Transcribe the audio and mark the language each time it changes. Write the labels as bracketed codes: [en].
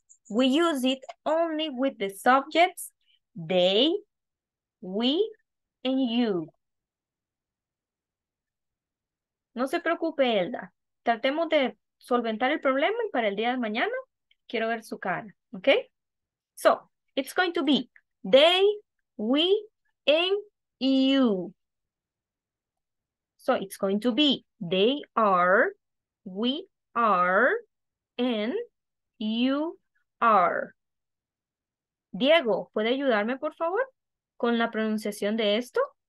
[en] We use it only with the subjects they, we, and you. [es] No se preocupe, Elda. Tratemos de solventar el problema y para el día de mañana quiero ver su cara, ¿okay? [en] So, it's going to be they, we, and you. So, it's going to be they are, we are, and you are. [es] Diego, ¿puede ayudarme, por favor, con la pronunciación de esto?